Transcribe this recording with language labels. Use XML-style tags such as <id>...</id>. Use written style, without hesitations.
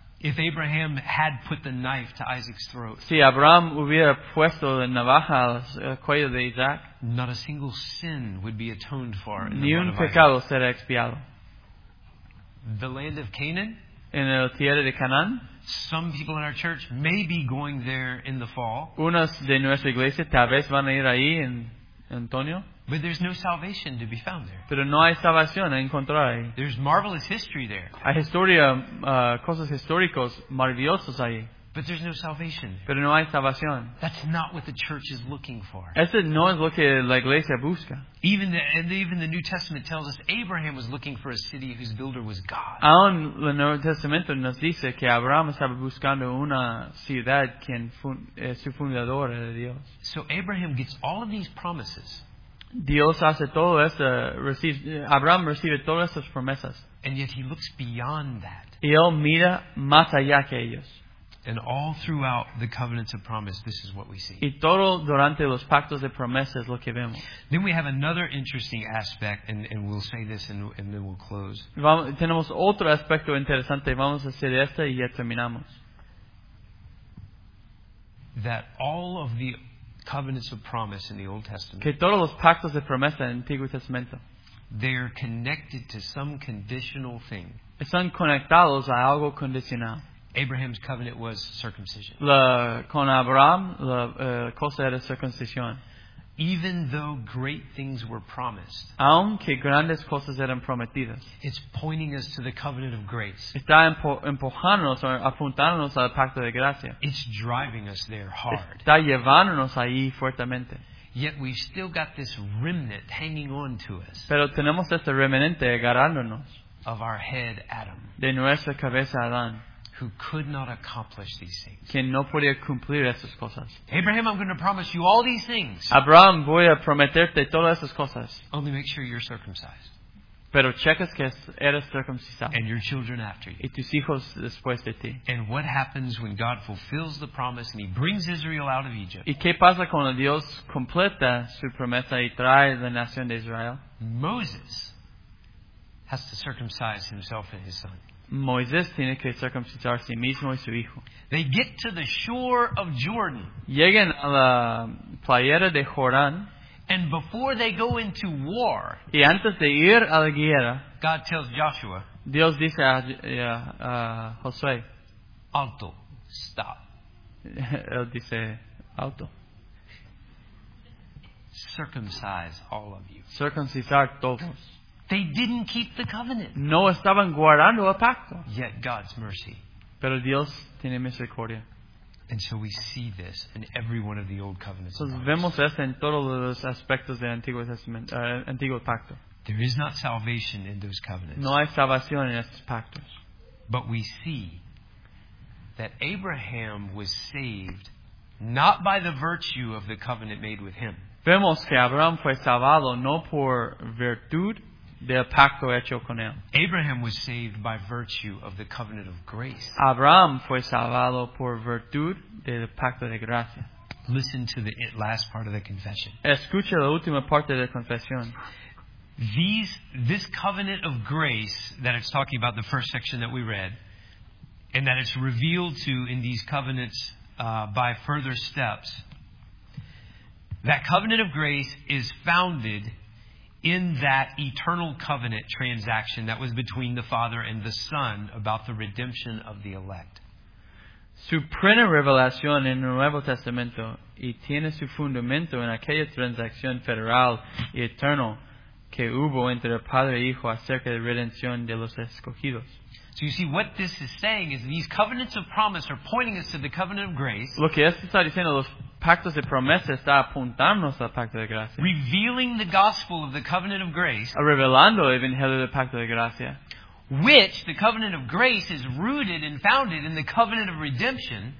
<en>If Abraham had put the knife to Isaac's throat,</en> <es>si Abraham hubiera puesto la navaja al cuello de Isaac,</es> <en>not a single sin would be atoned for.</en> <es>Ni un pecado será expiado.</es> <en>The land of Canaan,</en> <es>en la tierra de Canaan,</es> <en>some people in our church may be going there in the fall.</en> <es>Unas de nuestra iglesia tal vez van a ir ahí en Antonio.</es> <en>But there's no salvation to be found there.</en> <es>Pero no hay salvación a encontrar ahí.</es> <en>There's marvelous history there.</en> <es>Hay historia, cosas históricos maravillosos ahí.</es> <en>But there's no salvation.</en> <es>Pero no hay salvación.</es> <en>That's not what the church is looking for.</en> <es>Eso no es lo que la iglesia busca.</es> <en>Even the New Testament tells us Abraham was looking for a city whose builder was God.</en> <es>Aún el Nuevo Testamento nos dice que Abraham estaba buscando una ciudad quien su fundador era Dios.</es> <en>So Abraham gets all of these promises.</en> <es>Dios hace todo eso, Abraham recibe todas esas promesas.</es> <en>And yet he looks beyond that.</en> <es>Y él mira más allá que ellos.</es> <en>And all throughout the covenants of promise, this is what we see.</en> <es>Y todo durante los pactos de promesas lo que vemos.</es> <en>Then we have another interesting aspect, and we'll say this and then we'll close.</en> <es>Tenemos otro aspecto interesante, vamos a hacer esto y ya terminamos.</es> <en>That all of the covenants of promise in the Old Testament,</en> <es>que todos los pactos de promesa en el Antiguo Testamento,</es> <en>they're connected to some conditional thing.</en> <es>Están conectados a algo condicional.</es> <en>Abraham's covenant was circumcision.</en> <es>Con Abraham, la cosa era circuncisión.</es> <en>Even though great things were promised,</en> <es>aunque grandes cosas eran prometidas,</es> <en>it's pointing us to the covenant of grace.</en> <es>Está empujándonos o apuntándonos al pacto de gracia.</es> <en>It's driving us there hard.</en> <es>Está llevándonos ahí fuertemente.</es> <en>Yet we've still got this remnant hanging on to us.</en> <es>Pero tenemos este remanente agarrándonos.</es> <en>Of our head, Adam.</en> <es>De nuestra cabeza, Adán.</es> <en>Who could not accomplish these things.</en> <es>Que no podía cumplir esas cosas.</es> <en>Abraham, I'm going to promise you all these things.</en> <es>Abraham, voy a prometerte todas esas cosas.</es> <en>Only make sure you're circumcised.</en> <es>Pero checas que eres circuncisado.</es> <en>And your children after you.</en> <es>Y tus hijos después de ti.</es> <en>And what happens when God fulfills the promise and he brings Israel out of Egypt?</en> <es>¿Y qué pasa cuando Dios completa su promesa y trae la nación de Israel?</es> <en>Moses has to circumcise himself and his son.</en> <es>Moisés tiene que circuncidar a sí mismo y su hijo.</es> <en>They get to the shore of Jordan.</en> <es>Llegan a la playa de Jordán.</es> <en>And before they go into war,</en> <es>y antes de ir a la guerra,</es> <en>God tells Joshua,</en> <es>Dios dice a Josué,</es> <en>alto, stop.</en> <es>Él dice, alto.</es> <en>Circumcise all of you.</en> <es>Circuncidar todos.</es> <en>They didn't keep the covenant.</en> <es>No estaban guardando el pacto.</es> <en>Yet God's mercy.</en> <es>Pero Dios tiene misericordia.</es> <en>And so we see this in every one of the old covenants.</en> <es>So vemos esto en todos los aspectos del Antiguo Testamento, Antiguo Pacto.</es> <en>There is not salvation in those covenants.</en> <es>No hay salvación en estos pactos.</es> <en>But we see that Abraham was saved not by the virtue of the covenant made with him.</en> <es>Vemos que Abraham fue salvado no por virtud del pacto hecho con él.</es> <en>Abraham was saved by virtue of the covenant of grace.</en> <es>Abraham fue salvado por virtud del pacto de gracia.</es> <en>Listen to the last part of the confession.</en> <es>Escucha la última parte de la confesión.</es> <en>This covenant of grace that it's talking about, the first section that we read, and that it's revealed to in these covenants by further steps, that covenant of grace is founded in that eternal covenant transaction that was between the Father and the Son about the redemption of the elect.</en> <es>Su plena revelación en el Nuevo Testamento y tiene su fundamento en aquella transacción federal y eternal que hubo entre el Padre e Hijo acerca de redención de los escogidos.</es> <en>So you see, what this is saying is these covenants of promise are pointing us to the covenant of grace.</en> <es>Lo que esto está diciendo, los pactos de promesa está apuntándonos al pacto de gracia.</es> <en>Revealing the gospel of the covenant of grace.</en> <es>Revelando el evangelio del pacto de gracia.</es> <en>Which the covenant of grace is rooted and founded in the covenant of redemption.</en>